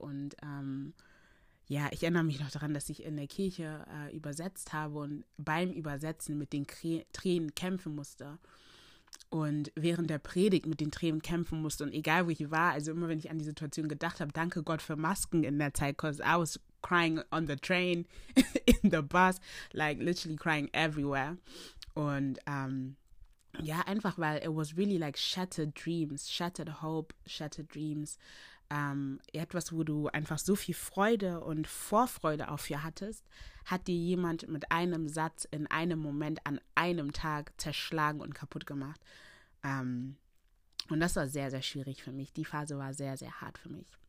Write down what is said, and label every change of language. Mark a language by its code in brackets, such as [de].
[de] Und ja, ich erinnere mich noch daran, dass ich in der Kirche übersetzt habe und beim Übersetzen mit den Tränen kämpfen musste. Und während der Predigt mit den Tränen kämpfen musste und egal, wo ich war, also immer, wenn ich an die Situation gedacht habe, danke Gott für Masken in der Zeit, [en] because I was crying on the train, in the bus, like literally crying everywhere. [de] Und ja, einfach, weil [en] it was really like shattered dreams, shattered hope, shattered dreams. [de] Etwas, wo du einfach so viel Freude und Vorfreude auf dir hattest, hat dir jemand mit einem Satz in einem Moment an einem Tag zerschlagen und kaputt gemacht. Und das war sehr, sehr schwierig für mich. Die Phase war sehr, sehr hart für mich.